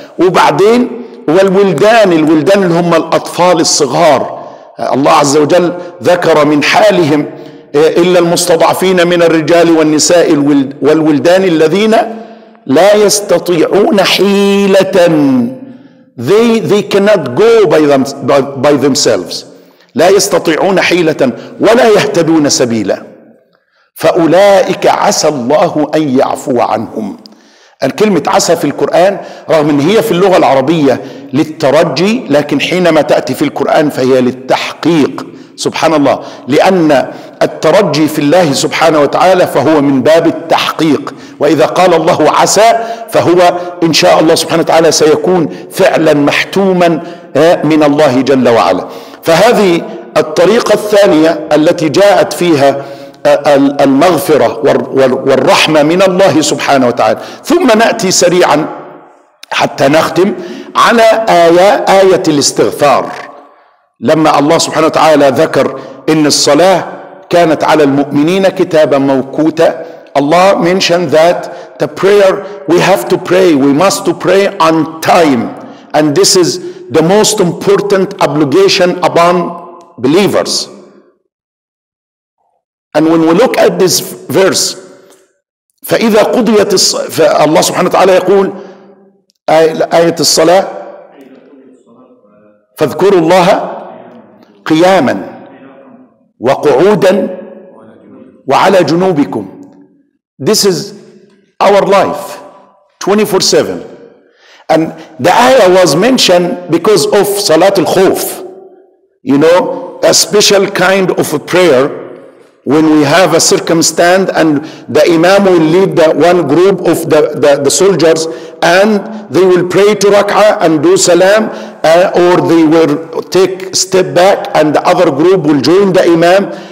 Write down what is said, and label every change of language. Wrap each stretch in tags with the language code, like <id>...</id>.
<ar>وبعدين الولدان اللي هم الأطفال الصغار، الله عز وجل ذكر من حالهم: إلا المستضعفين من الرجال والنساء والولدان الذين لا يستطيعون حيلة.</ar> <en>They cannot go by themselves.</en> <ar>لا يستطيعون حيلة ولا يهتدون سبيلا. فأولئك عسى الله أن يعفو عنهم. الكلمة عسى في القرآن رغم أن هي في اللغة العربية للترجي، لكن حينما تأتي في القرآن فهي للتحقيق. سبحان الله، لأن الترجي في الله سبحانه وتعالى فهو من باب التحقيق، وإذا قال الله عسى فهو إن شاء الله سبحانه وتعالى سيكون فعلا محتوما من الله جل وعلا. فهذه الطريقة الثانية التي جاءت فيها المغفرة والرحمة من الله سبحانه وتعالى. ثم نأتي سريعا حتى نختم على آية الاستغفار، لما الله سبحانه وتعالى ذكر إن الصلاة كانت على المؤمنين كتابا موقوتا.</ar> <en>الله mentioned that the prayer, we have to pray, we must to pray on time, and this is the most important obligation upon believers. And when we look at this verse,</en> <ar>فإذا قضيت الله سبحانه وتعالى يقول آية الصلاة فاذكروا الله قياما وقعودا وعلى جنوبكم.</ar> <en>This is our life 24/7. And the ayah was mentioned because of Salat al-Khuf, you know, a special kind of a prayer when we have a circumstance and the imam will lead the one group of the soldiers and they will pray to rak'ah and do salam, or they will take step back and the other group will join the imam.</en>